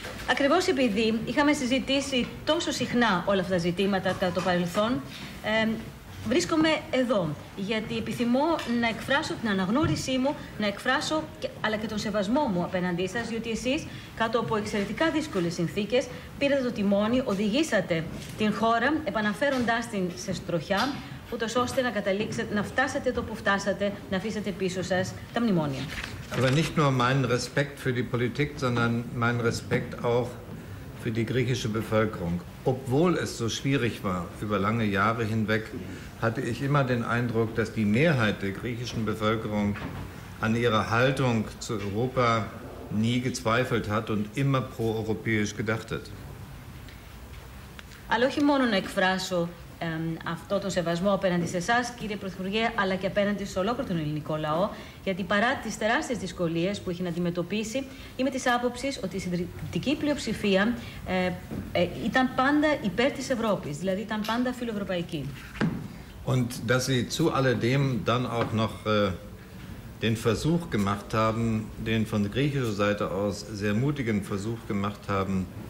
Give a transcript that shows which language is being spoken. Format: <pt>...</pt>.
<el>Ακριβώς επειδή είχαμε συζητήσει τόσο συχνά όλα αυτά τα ζητήματα κατά το παρελθόν, βρίσκομαι εδώ γιατί επιθυμώ να εκφράσω την αναγνώρισή μου, να εκφράσω αλλά και τον σεβασμό μου απέναντί σας, διότι εσείς κάτω από εξαιρετικά δύσκολες συνθήκες πήρατε το τιμόνι, οδηγήσατε την χώρα επαναφέροντάς την σε στροχιά, ούτως ώστε να καταλήξετε, να φτάσετε εδώ που φτάσατε, να αφήσετε πίσω σας τα μνημόνια.</el> <de>Aber nicht nur meinen Respekt für die Politik, sondern meinen Respekt auch für die griechische Bevölkerung. Obwohl es so schwierig war über lange Jahre hinweg, hatte ich immer den Eindruck, dass die Mehrheit der griechischen Bevölkerung an ihrer Haltung zu Europa nie gezweifelt hat und immer pro-europäisch gedacht hat.</de> <el>Αλλά όχι μόνο να εκφράσω αυτό τον σεβασμό απέναντι σε εσάς, κύριε Πρωθυπουργέ, αλλά και απέναντι σε ολόκληρο τον ελληνικό λαό, γιατί παρά τις τεράστιες δυσκολίες που έχει να αντιμετωπίσει, είμαι της άποψης ότι η συντριπτική πλειοψηφία ήταν πάντα υπέρ της Ευρώπης, δηλαδή ήταν πάντα φιλοευρωπαϊκή.</el> <de>Und dass Sie zu alledem dann auch noch den Versuch gemacht haben, den von der griechischen Seite aus sehr mutigen Versuch gemacht haben,</de>